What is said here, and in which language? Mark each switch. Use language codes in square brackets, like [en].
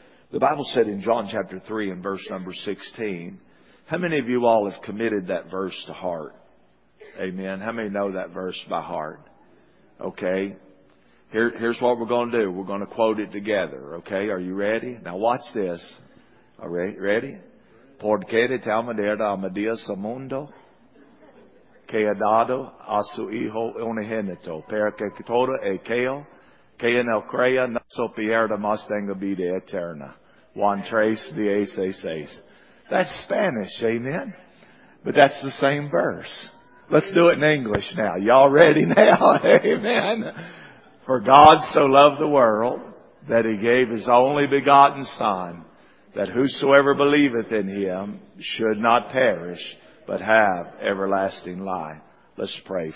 [en] The Bible said in John chapter 3 and verse number 16, how many of you all have committed that verse to heart? Amen. How many know that verse by heart? Okay. Here's what we're going to do. We're going to quote it together. Okay. Are you ready? Now watch this. All right. Ready? [es] Porque de tal manera amó Dios al mundo que ha dado a su hijo unigénito para que todo aquel que en él crea no se pierda mas tenga vida eterna. [en] Juan 3:16. That's Spanish, amen? But that's the same verse. Let's do it in English now. Y'all ready now? Amen. For God so loved the world that He gave His only begotten Son, that whosoever believeth in Him should not perish, but have everlasting life. Let's pray.